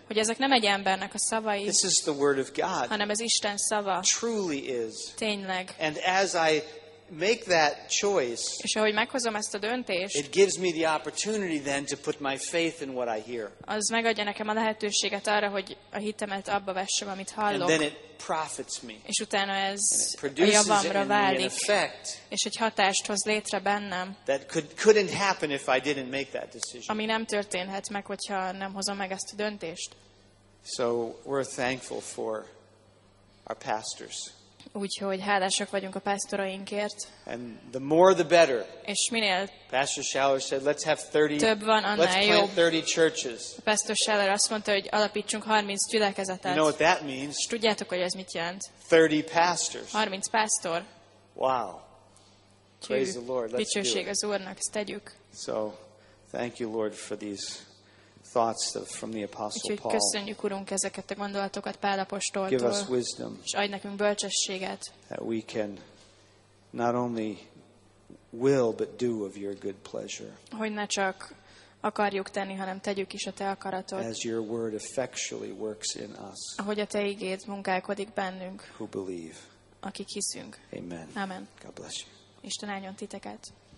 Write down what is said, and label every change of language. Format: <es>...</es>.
<hu>Hogy ezek nem egy embernek a szavai.</hu> <en>This is the word of God.</en> <hu>Hanem ez Isten szava.</hu> <en>Truly is.</en> <hu>Tényleg.</hu> <en>And as I make that choice.</en> <hu>És ahogy meghozom ezt a döntést.</hu> <en>It gives me the opportunity then to put my faith in what I hear.</en> <hu>Az megadja nekem a lehetőséget arra, hogy a hitemet abba vessem, amit hallok.</hu> <en>And then it profits me.</en> <hu>És utána ez a javamra válik. És egy hatást hoz létre bennem.</hu> <en>That couldn't happen if I didn't make that decision.</en> <hu>Ami nem történhet meg, hogyha nem hozom meg ezt a döntést.</hu> <en>So we're thankful for our pastors.</en> <hu>Úgyhogy hálásak vagyunk a pásztorainkért.</hu> <en>And the more the better.</en> <hu>És minél.</hu> <en>Pastor Schaller said, let's have 30.</en> <hu>Több van, annál</hu> <en>let's plant</en> <hu>jobb.</hu> <en>30 churches.</en> <hu>Pastor Schaller azt mondta, hogy alapítsunk 30 gyülekezetet.</hu> <en>You know what that means?</en> <hu>Tudjátok, hogy ez mit jelent?</hu> <en>30 pastors.</en> <hu>30 pásztor.</hu> <en>Wow. Praise the Lord. Let's do it. Dicsőség</en> <hu>az Úrnak, ezt tegyük.</hu> <en>So, thank you, Lord, for these thoughts from the Apostle Paul.</en> <hu>Úgyhogy köszönjük, Urunk, ezeket a gondolatokat Pál apostoltól.</hu> <en>Give us wisdom.</en> <hu>És adj nekünk bölcsességet.</hu> <en>That we can not only will but do of your good pleasure.</en> <hu>Hogy ne csak akarjuk tenni, hanem tegyük is a te akaratod.</hu> <en>As your word effectually works in us.</en> <hu>Ahogy a te ígéd munkálkodik bennünk.</hu> <en>Who believe.</en> <hu>Akik hiszünk.</hu> <en>Amen.</en> <hu>Amen.</hu> <en>God bless you.</en> <hu>Isten áldjon titeket.</hu>